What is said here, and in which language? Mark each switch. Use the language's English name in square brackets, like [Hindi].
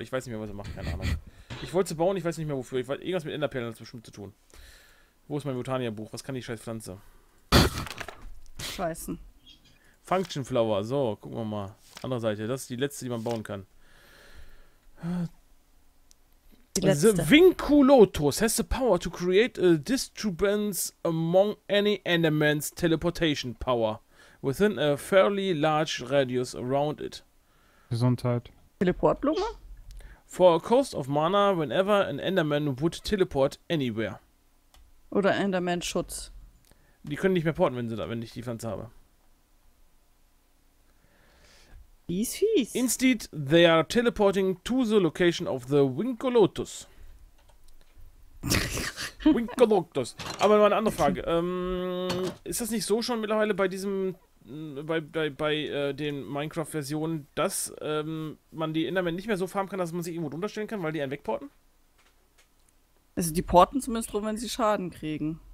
[German] Ich weiß nicht mehr, was er macht. Keine Ahnung. Ich wollte sie bauen. Ich weiß nicht mehr, wofür. Ich weiß, irgendwas mit Enderperlen hat es bestimmt zu tun. Wo ist mein Botania-Buch? Was kann die scheiß Pflanze? Scheißen. Function Flower. So, gucken wir mal. Andere Seite. Das ist die letzte, die man bauen kann. [English] The Vinculotus has the power to create a disturbance among any element's teleportation power within a fairly large radius around it. [German] Gesundheit. Teleportblume? [English] For a cost of mana whenever an Enderman would teleport anywhere. [German] Oder Enderman-Schutz. Die können nicht mehr porten, wenn sie da, wenn ich die Pflanze habe. [English] He's fies. Instead, they are teleporting to the location of the Vinculotus. [German] Vinculotus. Aber noch eine andere Frage. Ist das nicht so schon mittlerweile bei diesem, bei den Minecraft-Versionen, dass man die Enderman nicht mehr so farmen kann, dass man sie irgendwo drunter stellen kann, weil die einen wegporten? Also die porten zumindest drum, wenn sie Schaden kriegen.